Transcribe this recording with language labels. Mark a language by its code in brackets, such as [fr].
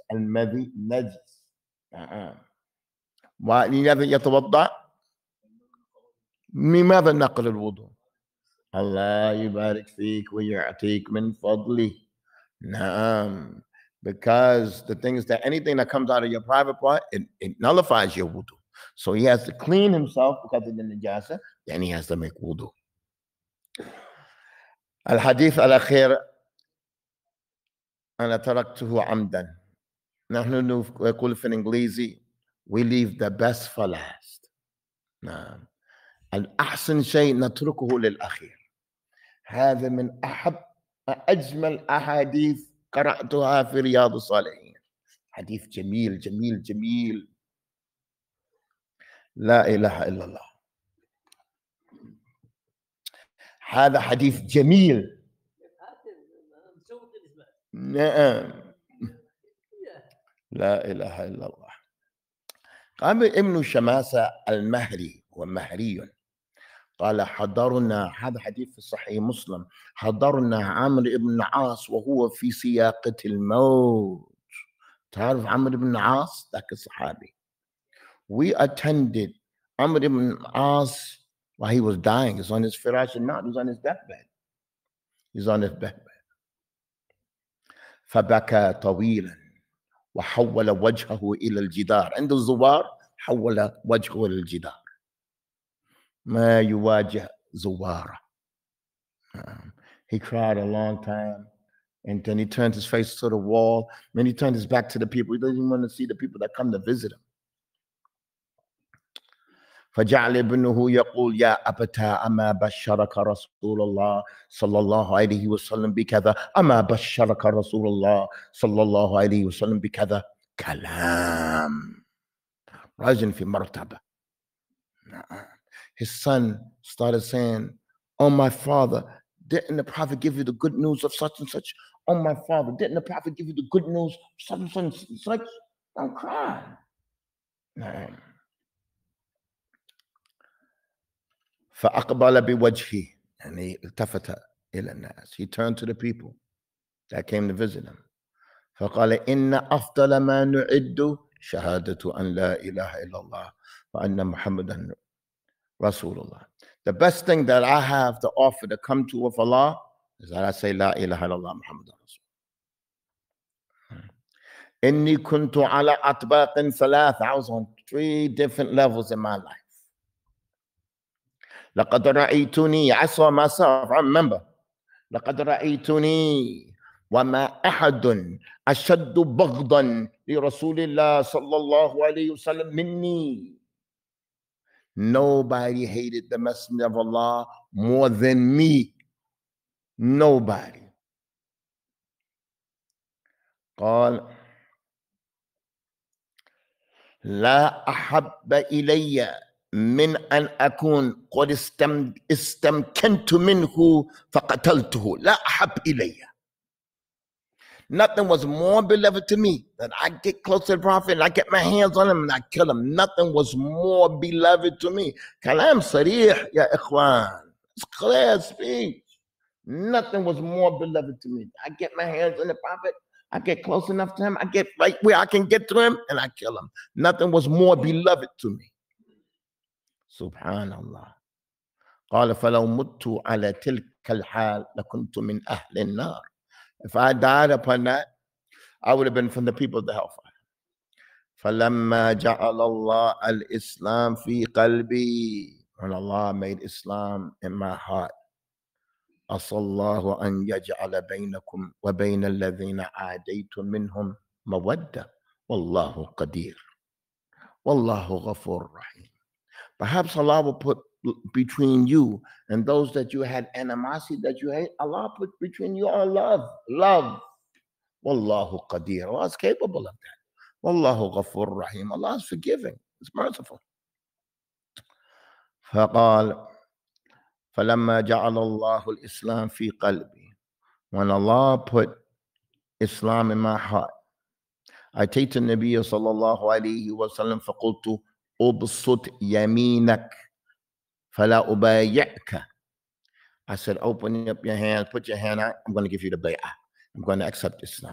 [ar] المذي najis. ولماذا يتوضع? لماذا نقل الوضوء? الله يبارك فيك ويعطيك من فضلي. نعم. [en] Because the thing is that anything that comes out of your private part, it nullifies your wudu. So he has to clean himself because of the najasa, then he has to make wudu. [ar] الحديث الأخير أنا تركته عمدا. نحن نقول في الإنجليزي, [en] we leave the best for last. [ar] نعم. الأحسن شيء نتركه للأخير. هذا من أحب أجمل أحاديث قرأتها في رياض الصالحين. حديث جميل جميل جميل. لا إله إلا الله. هذا حديث جميل. نعم. لا إله إلا الله. قام ابن شماسة المهري ومهري قال حضرنا, هذا حديث في صحيح مسلم, حضرنا عمرو بن عاص وهو في سياقة الموت. تعرف عمرو بن عاص ذاك الصحابي. [en] We attended عمرو بن عاص while he was dying. He's on his firash and not, he's on his deathbed. He's on his deathbed. [ar] فبكى طويلا وحول وجهه إلى الجدار. عند الزوار حول وجهه إلى الجدار. ما يواجه زواره. [en] He cried a long time and then he turned his face to the wall and he turned his back to the people. He doesn't even want to see the people that come to visit him. [ar] فجعل ابنه يقول يا أبتا أما بشرك رسول الله صلى الله عليه وسلم بكذا أما بشرك رسول الله صلى الله عليه وسلم بكذا كلام. رجل في مرتبة. [en] His son started saying, oh my father, didn't the prophet give you the good news of such and such? Oh my father, didn't the prophet give you the good news of such and such? And such? Don't cry. [ar] فأقبل بوجهي. [en] And he [ar] التفت إلى الناس. [en] He turned to the people that came to visit him. [ar] فقال إن أفضل ما نعد شهادة أن لا إله إلا الله وأن محمدا Rasulullah. [en] The best thing that I have to offer to come to with Allah is that I say La ilaha illallah Muhammad Rasul. [ar] Inni kuntu ala atbaqin thalath. [en] I was on three different levels in my life. [ar] Laqad ra'aytuni. [en] I saw myself. I remember. Laqad ra'aytuni. [ar] وما أحد أشد بغضا لرسول الله صلى الله عليه وسلم مني. [en] Nobody hated the Messenger of Allah more than me. Nobody. [ar] قال لا أحب إلي من أن أكون قد استمكنت منه فقتلته. لا أحب إلي. [en] Nothing was more beloved to me than I get close to the Prophet and I get my hands on him and I kill him. Nothing was more beloved to me. [ar] Kalam sarih, ya ikhwan. [en] It's clear speech. Nothing was more beloved to me. I get my hands on the Prophet. I get close enough to him. I get right where I can get to him and I kill him. Nothing was more beloved to me. [ar] Subhanallah. قال فلو مت على تلك الحال لكنت من أهل النار. [en] If I died upon that, I would have been from the people of the hellfire. [ar] فَلَمَّا جَعَلَ اللَّهُ الْإِسْلَامِ فِي قَلْبِي. [en] When Allah made Islam in my heart. [ar] أَصَلَّ اللَّهُ أَنْ يَجْعَلَ بَيْنَكُمْ وَبَيْنَ الَّذِينَ عَادَيْتُمْ مِنْهُمْ مَوَدَّةٌ وَاللَّهُ قَدِيرٌ وَاللَّهُ غَفُورٌ رَحِيمٌ. [en] Perhaps Allah will put between you and those that you had animosity that you hate, Allah put between you all love, love. [ar] Wallahu qadir. [en] Allah is capable of that. [ar] Wallahu ghafur rahim. [en] Allah is forgiving. It's merciful. [ar] فقال فلما جعل الله الإسلام في قلبي. [en] When Allah put Islam in my heart, I say to Nabi sallallahu alayhi wa sallam, [ar] فَقُلْتُ أُبْسُطْ يَمِينَكَ فَلَا أُبَايِعْكَ. [en] I said, open up your hands, put your hand out, I'm going to give you the bay'ah. I'm going to accept Islam.